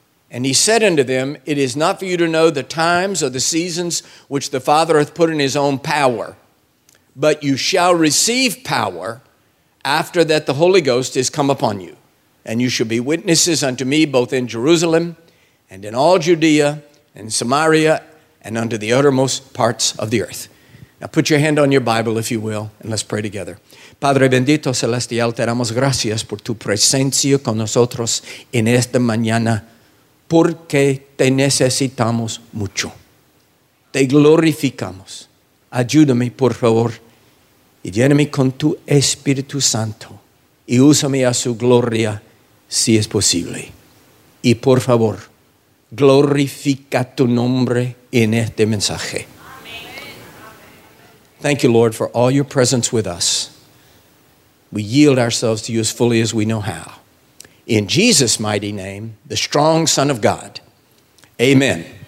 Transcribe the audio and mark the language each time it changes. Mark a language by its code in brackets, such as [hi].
[en] And he said unto them, it is not for you to know the times or the seasons which the Father hath put in his own power, but you shall receive power after that the Holy Ghost is come upon you. And you shall be witnesses unto me both in Jerusalem and in all Judea and Samaria and unto the uttermost parts of the earth. Now put your hand on your Bible, if you will, and let's pray together. [es] Padre bendito celestial, te damos gracias por tu presencia con nosotros en esta mañana, porque te necesitamos mucho. Te glorificamos. Ayúdame, por favor, y lléname con tu Espíritu Santo y úsame a su gloria si es posible. Y por favor, glorifica tu nombre en este mensaje. [en] Amen. Thank you, Lord, for all your presence with us. We yield ourselves to you as fully as we know how. In Jesus' mighty name, the strong Son of God. Amen.